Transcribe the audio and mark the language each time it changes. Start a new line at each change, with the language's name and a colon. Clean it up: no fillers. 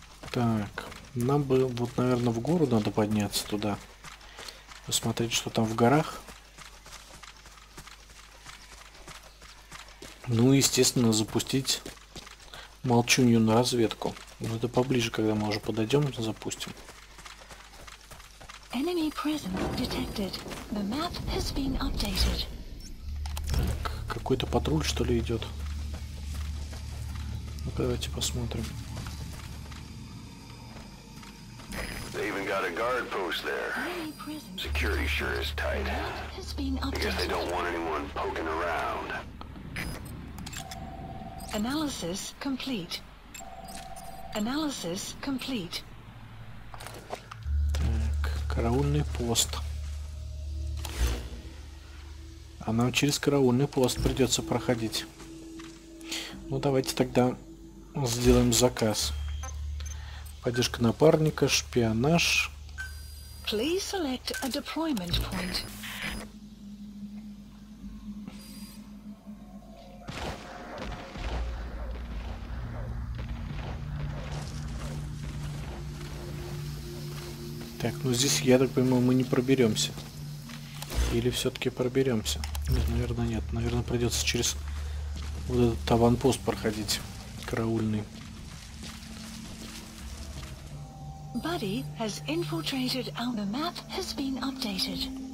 Russian: Так, нам бы вот, наверное, в гору надо подняться туда. Посмотреть, что там в горах. Ну и, естественно, запустить молчунью на разведку. Но это поближе, когда мы уже подойдем, запустим.
English: Enemy presence detected. The map has been updated.
Russian: Так, какой-то патруль, что ли, идет? Ну-ка, давайте посмотрим.
English: They even got a guard post there. Security sure is tight. I guess they don't want anyone poking around. Analysis complete. Analysis complete.
Russian: Так, караульный пост. А нам через караульный пост придется проходить. Ну давайте тогда сделаем заказ. Поддержка напарника, шпионаж.
English: Please select a deployment point.
Russian: Так, ну здесь, я так понимаю, мы не проберемся. Или все-таки проберемся? Нет, наверное, нет. Наверное, придется через вот этот аванпост проходить. Караульный.
English: Buddy has infiltrated and the map has been updated.